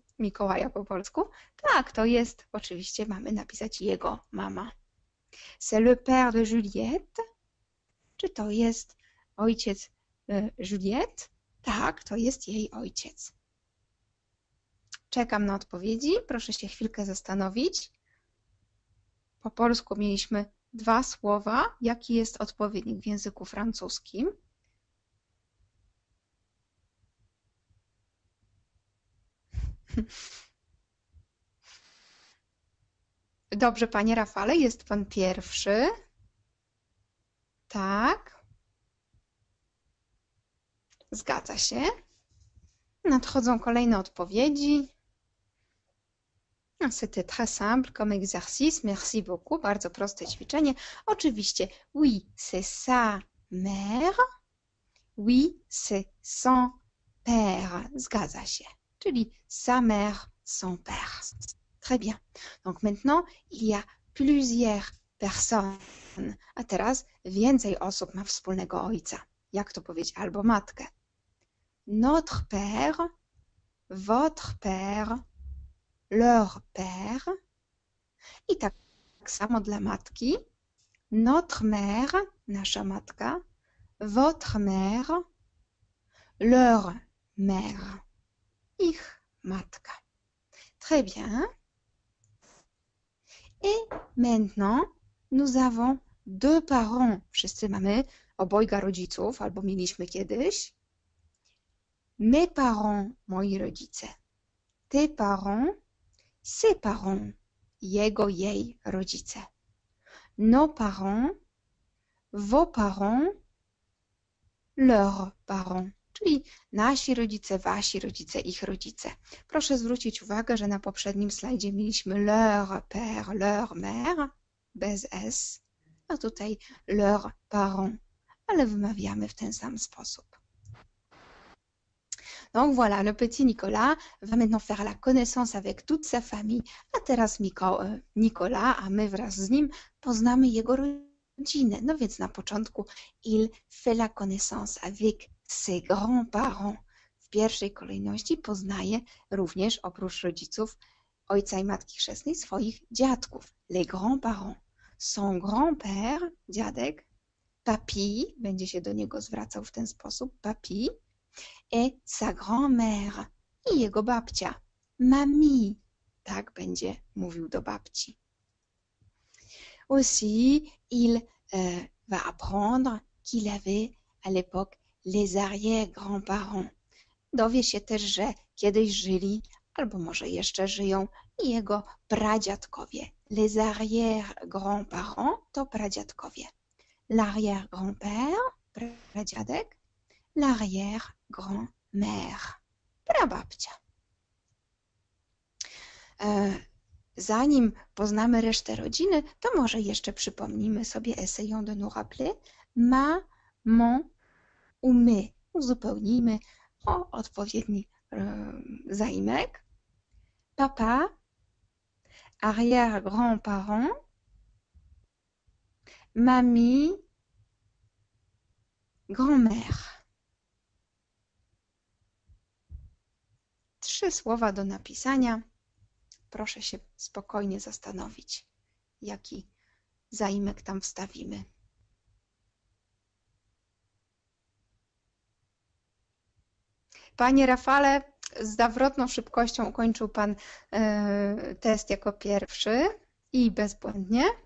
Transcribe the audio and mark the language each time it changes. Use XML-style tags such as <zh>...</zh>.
<pl>Mikołaja po polsku? Tak, to jest. Oczywiście mamy napisać jego mama.</pl> <fr>C'est le père de Juliette?</fr> <pl>Czy to jest ojciec Juliette? Tak, to jest jej ojciec. Czekam na odpowiedzi. Proszę się chwilkę zastanowić. Po polsku mieliśmy dwa słowa. Jaki jest odpowiednik w języku francuskim? Dobrze, panie Rafale, jest pan pierwszy. Tak. Zgadza się. Nadchodzą kolejne odpowiedzi.</pl> <fr>C'était très simple comme exercice. Merci beaucoup.</fr> <pl>Bardzo proste ćwiczenie.</pl> <fr>Oczywiście, oui, c'est sa mère. Oui, c'est son père.</fr> <pl>Zgadza się. Czyli</pl> <fr>sa mère, son père. Très bien. Donc maintenant, il y a plusieurs personnes.</fr> <pl>A teraz więcej osób ma wspólnego ojca. Jak to powiedzieć? Albo matkę.</pl> <fr>Notre père, votre père, leur père.</fr> <pl>I tak samo dla matki.</pl> <fr>Notre mère,</fr> <pl>nasza matka,</pl> <fr>votre mère, leur mère,</fr> <pl>ich Matka.</pl> <fr>Très bien. Et maintenant, nous avons deux parents.</fr> <pl>Wszyscy mamy obojga rodziców, albo mieliśmy kiedyś.</pl> <fr>Mes parents,</fr> <pl>moi rodzice.</pl> <fr>Tes parents, ses parents,</fr> <pl>jego, jej rodzice.</pl> <fr>Nos parents, vos parents, leurs parents.</fr> <pl>Czyli nasi rodzice, wasi rodzice, ich rodzice. Proszę zwrócić uwagę, że na poprzednim slajdzie mieliśmy</pl> <fr>leur père, leur mère,</fr> <pl>bez S, a tutaj</pl> <fr>leur parent,</fr> <pl>ale wymawiamy w ten sam sposób.</pl> <fr>Donc voilà, le petit Nicolas va maintenant faire la connaissance avec toute sa famille,</fr> <pl>a teraz Nicolas, a my wraz z nim poznamy jego rodzinę. No więc na początku</pl> <fr>il fait la connaissance avec ses grands-parents.</fr> <pl>W pierwszej kolejności poznaje również, oprócz rodziców, ojca i matki chrzestnej, swoich dziadków.</pl> <fr>Les grands-parents. Son grand-père,</fr> <pl>dziadek, papi, będzie się do niego zwracał w ten sposób, papi,</pl> <fr>et sa grand-mère,</fr> <pl>i jego babcia, mamie, tak będzie mówił do babci.</pl> <fr>Aussi, il va apprendre qu'il avait à l'époque les arrière-grands-parents.</fr> <pl>Dowie się też, że kiedyś żyli, albo może jeszcze żyją, jego pradziadkowie. Les arrière-grands-parents to pradziadkowie.</pl> <fr>L'arrière-grand-père, pradziadek. L'arrière-grand-mère, prababcia.</fr> <pl>Zanim poznamy resztę rodziny, to może jeszcze przypomnimy sobie</pl> <fr>essayons de nous rappeler</fr> <pl>ma, mon, u my. Uzupełnijmy o odpowiedni zaimek.</pl> <fr>Papa, arrière-grand-parent, mamie, grand-mère.</fr> <pl>Trzy słowa do napisania. Proszę się spokojnie zastanowić, jaki zaimek tam wstawimy. Panie Rafale, z zawrotną szybkością ukończył Pan test jako pierwszy i bezbłędnie.</pl>